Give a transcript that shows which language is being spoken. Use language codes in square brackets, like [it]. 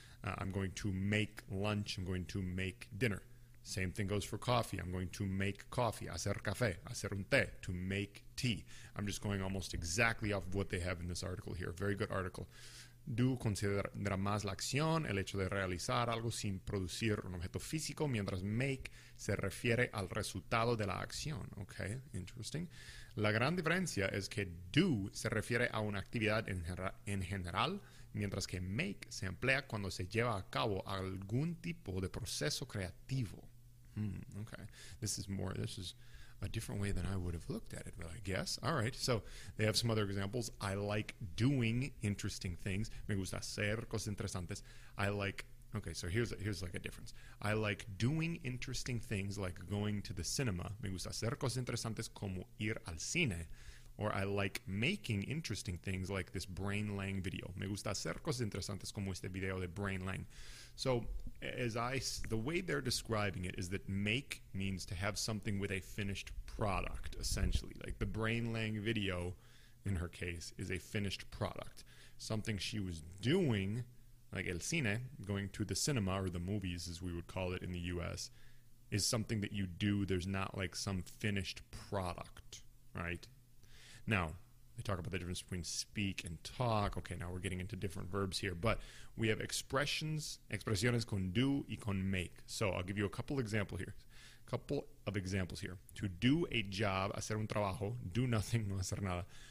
[en] I'm going to make lunch, I'm going to make dinner. Same thing goes for coffee. I'm going to make coffee, [es] hacer café, hacer un té, [en] to make tea. I'm just going almost exactly off of what they have in this article here. Very good article. [es] Do considera más la acción, el hecho de realizar algo sin producir un objeto físico, mientras make se refiere al resultado de la acción. [en] Okay, interesting. [es] La gran diferencia es que do se refiere a una actividad en general, mientras que make se emplea cuando se lleva a cabo algún tipo de proceso creativo. [en] Okay, this is a different way than I would have looked at it, but I guess. All right, so they have some other examples. I like doing interesting things. [es] Me gusta hacer cosas interesantes. [en] Here's a difference. I like doing interesting things like going to the cinema. [es] Me gusta hacer cosas interesantes como ir al cine. [en] Or I like making interesting things like this Brainlang video. [es] Me gusta hacer cosas interesantes como este video de Brainlang. [en] So, the way they're describing it is that make means to have something with a finished product, essentially. Like the Brainlang video, in her case, is a finished product. Something she was doing, like el cine, going to the cinema or the movies, as we would call it in the US, is something that you do. There's not like some finished product, right? Now, they talk about the difference between speak and talk. Okay, now we're getting into different verbs here. But we have [es] expresiones con do y con make. [en] So I'll give you a couple examples here. To do a job, [es] hacer un trabajo, [en] do nothing, [es] no hacer nada.